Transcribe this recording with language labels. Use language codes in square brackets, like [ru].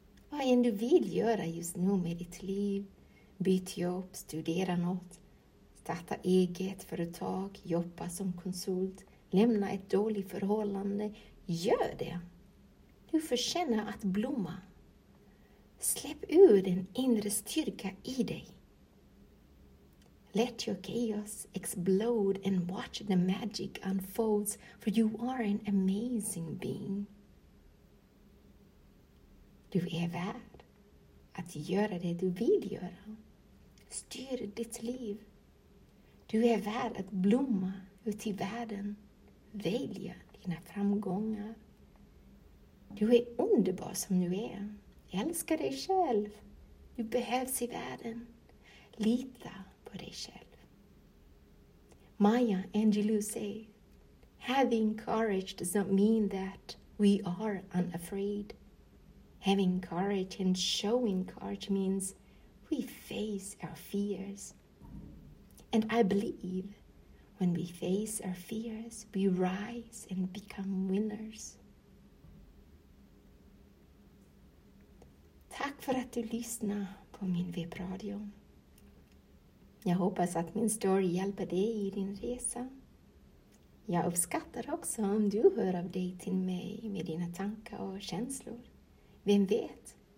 [sv] Vad än du vill göra just nu med ditt liv, byt jobb, studera något, starta eget företag, jobba som konsult, lämna ett dåligt förhållande, gör det. Du förtjänar att blomma. Släpp ur den inre styrka i dig. [en] Let your chaos explode and watch the magic unfolds, for you are an amazing being. [sv] Du är värd att göra det du vill göra. Styr ditt liv. Du är värd att blomma ut i världen, välja dina framgångar. Du är underbar som du är. Älska dig själv. Du behövs i världen. Lita på dig själv. [en] Maya Angelou say, having courage does not mean that we are unafraid. Having courage and showing courage means we face our fears. And I believe when we face our fears, we rise and become winners. [sv] Tack för att du lyssnar på min webbradio. Jag hoppas att min story hjälper dig i din resa. Jag uppskattar också om du hör av dig till mig med dina tankar och känslor. Vem vet?